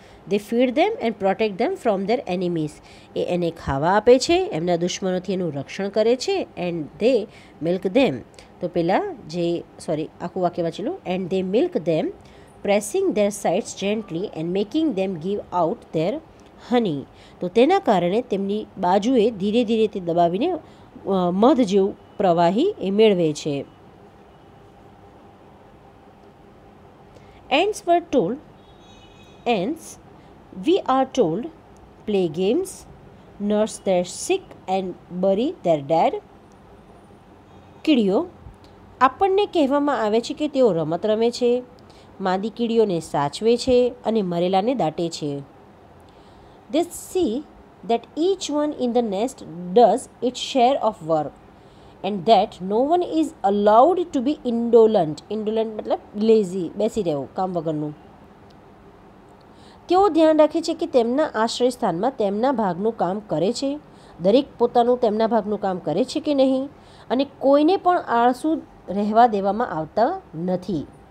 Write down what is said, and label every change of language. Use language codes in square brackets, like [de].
[en] They feed them and protect them from their enemies. [gu] એ એને ખાવા આપે છે, એમના દુશ્મનોથી એનું રક્ષણ કરે છે, [en] And they milk them. [gu] તો પેલા જે આખું વાક્ય વાંચી લો, [en] And they milk them pressing their sides gently and making them give out their honey. [gu] તો તેના કારણે તેમની બાજુએ ધીરે ધીરે તે દબાવીને મધ જેવું પ્રવાહી એ મેળવે છે। [en] Ants were told Ants, we are told, play games, nurse their sick and bury their dead. [gu] કીડીઓ આપણને કહેવામાં આવે છે કે તેઓ રમત રમે છે, માદી કીડીઓને સાચવે છે અને મરેલાને દાટે છે। [en] They see that each one in the nest does its share of work and that no one is allowed to be indolent. [gu] Indolent મતલબ lazy, બેસી રહેવું કામ વગરનું। તેઓ ધ્યાન રાખે છે કે તેમના આશ્રયસ્થાનમાં તેમના ભાગનું કામ કરે છે, દરેક પોતાનું તેમના ભાગનું કામ કરે છે કે નહીં, અને કોઈને પણ આળસુ રહેવા દેવામાં આવતા નથી।